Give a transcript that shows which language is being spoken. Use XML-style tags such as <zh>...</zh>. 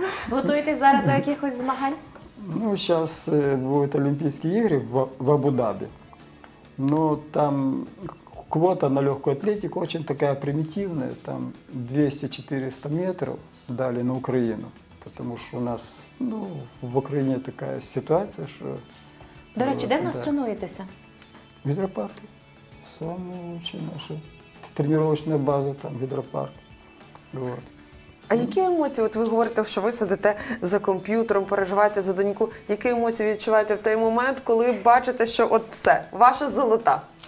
<uk>Готуєтесь зараз до якихось змагань? Ну, зараз будуть Олімпійські ігри в Абу-Дабі.</uk> <ru>Ну, там квота на легку атлетику очень такая примитивная, там 200-400 метров дали на Украину, потому что у нас, ну, в Украине такая ситуация, что... До речи, где вы нас тренуетесь? В гидропарке. Самая лучшая наша тренировочная база там, гидропарк. Вот.</ru> <uk>А які емоції, от ви говорите, що ви сидите за комп'ютером, переживаєте за доньку, які емоції відчуваєте в той момент, коли бачите, що от все, ваша золота?</uk>